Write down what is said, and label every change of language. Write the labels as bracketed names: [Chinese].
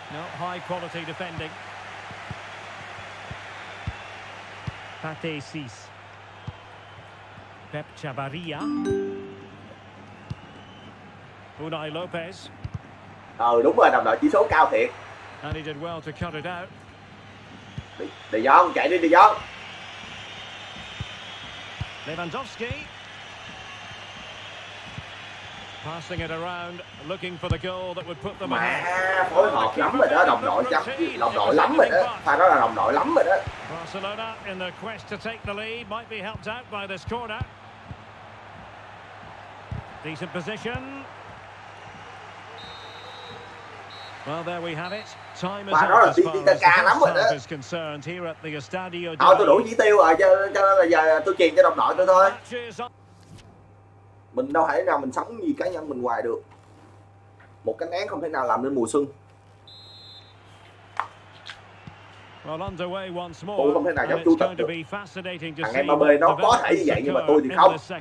[English] High quality defending. Pate Sis. Pep Chavarria. Unai Lopez. [Vietnamese] Ờ đúng rồi, đồng đội chỉ số cao thiệt. [English] And he did well to cut it out. [Vietnamese] Đi Giáo, chạy đi Giáo. [English] Lewandowski. Passing it around, looking for the goal that would put them ahead. [Vietnamese] Mà phối hợp lắm rồi đó, đồng đội chắc, đồng đội lắm rồi đó. Pha đó là đồng đội lắm rồi đó. [English] Barcelona in the quest to take the lead might be helped out by this corner. Decent position. Well, there we have it. Time is up as far as the staff is concerned here at the Estadio. [Vietnamese] Thôi, tôi đủ chỉ tiêu rồi, cho nên là giờ tôi truyền cho đồng đội tôi thôi. Mình đâu thể nào mình sống như cá nhân mình hoài được. Một cái nén không thể nào làm nên mùa xuân. [English] Well, underway once more. [Vietnamese] Tôi không thể nào giống chú tập được. Thằng em Mbappe nó có thể như vậy nhưng mà tôi thì không.